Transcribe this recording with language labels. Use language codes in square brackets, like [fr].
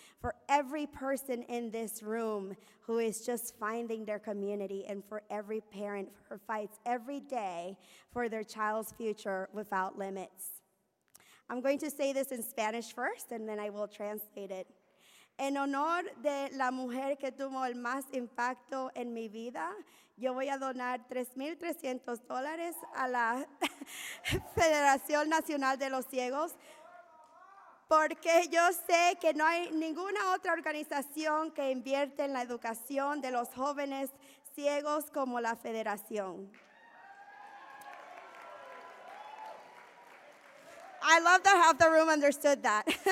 [en] For every person in this room who is just finding their community. And for every parent who fights every day for their child's future without limits. I'm going to say this in Spanish first, and then I will translate it. [es] En honor de la mujer que tuvo el más impacto en mi vida, yo voy a donar $3,300 a la Federación Nacional de los Ciegos, porque yo sé que no hay ninguna otra organización que invierte en la educación de los jóvenes ciegos como la Federación. [en] I love that half the room understood that.